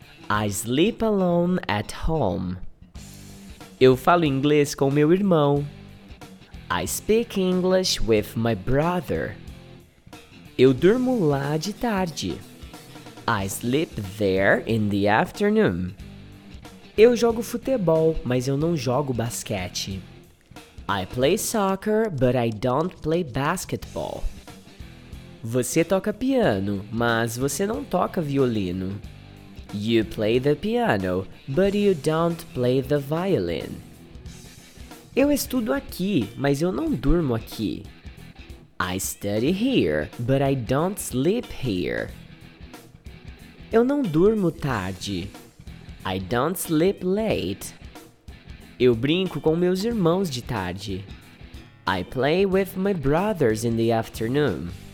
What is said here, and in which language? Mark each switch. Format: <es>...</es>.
<en>I sleep alone at home.</en> <pt>Eu falo inglês com meu irmão.</pt> <en>I speak English with my brother.</en> <pt>Eu durmo lá de tarde.</pt> <en>I sleep there in the afternoon.</en> <pt>Eu jogo futebol, mas eu não jogo basquete.</pt> <en>I play soccer, but I don't play basketball.</en> <pt>Você toca piano, mas você não toca violino.</pt> <en>You play the piano, but you don't play the violin.</en> <pt>Eu estudo aqui, mas eu não durmo aqui.</pt> <en>I study here, but I don't sleep here.</en> <pt>Eu não durmo tarde.</pt> <en>I don't sleep late.</en> <pt>Eu brinco com meus irmãos de tarde.</pt> <en>I play with my brothers in the afternoon.</en>